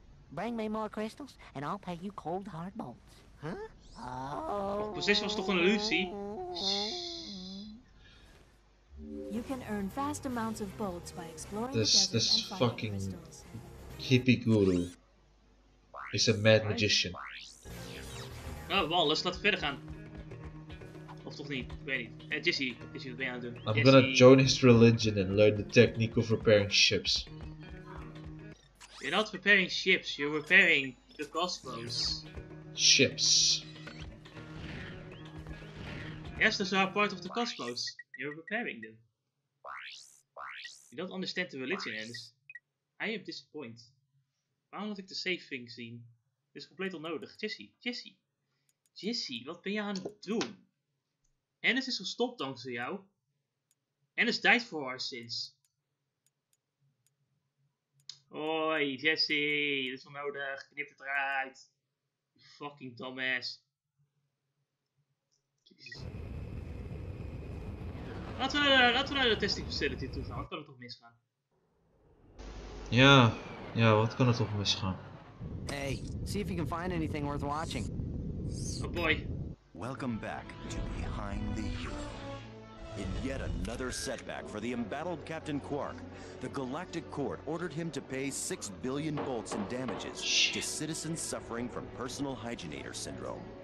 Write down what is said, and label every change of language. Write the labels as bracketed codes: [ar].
[en] Bring me more crystals and I'll pay you cold hard bolts. Huh? [nl] Oh. Dus dit was toch een illusie? [en] You can earn fast amounts of bolts by exploring this fucking hippie guru is a mad magician. [nl] Oh, Wallace, laten we verder gaan. Of toch niet, ik weet niet. Jesse, wat ben je aan het doen? [en] I'm gonna join his religion and learn the technique of repairing ships. You're not repairing ships, you're repairing the crossbows. Ships. Yes, those are part of the crossbows. You're repairing them. You don't understand the religion, Hans. I am disappointed. [nl] Waarom had ik de [en] safe thing [nl] zien? Dit is compleet onnodig. Jesse, wat ben je aan het doen? Hans is gestopt dankzij jou. [en] Hans died for our sins. [nl] Oi, Jesse, dit is onnodig. Knip het eruit. [en] Fucking dumbass. Jesus. [nl] Laten we naar de testing facility toe gaan, wat kan er toch misgaan? Ja, wat kan er toch misgaan? [en] Hey, see if you can find anything worth watching. Oh boy. Welcome back to Behind the Hero. In yet another setback for the embattled Captain Quark, the Galactic Court ordered him to pay 6 billion bolts in damages to citizens suffering from personal hygienator syndrome.